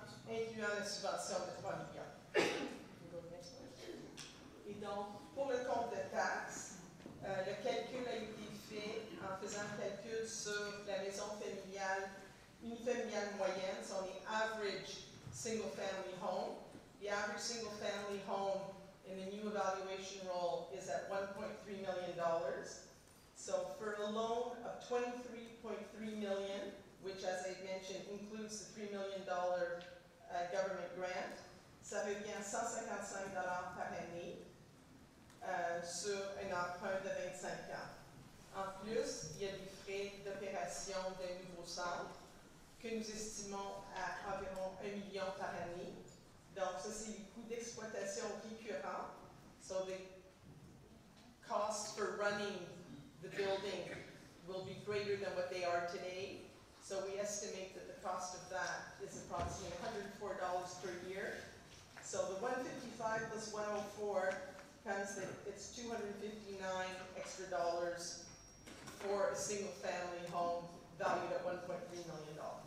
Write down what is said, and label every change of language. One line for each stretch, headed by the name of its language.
French: Incluant la subvention de 3 millions. Et donc, pour le compte de taxes, le calcul a été fait en faisant un calcul sur la maison familiale, une familiale moyenne, si on est
English: average single family home. The average single family home in the new evaluation role is at $1.3 million. So for a loan of $23.3 million, which as I mentioned includes the $3 million government grant,
French: ça fait bien $155 par année sur un emprunt de 25 ans. En plus, il y a des frais d'opération d'un nouveau centre que nous estimons à environ 1 million par année. Donc, ça, c'est les coûts d'exploitation récurrents.
English: So, the costs for running the building will be greater than what they are today. So, we estimate that the cost of that is approximately $104 per year. So, the 155 plus 104 comes that it's $259 extra dollars for a single family home valued at $1.3 million.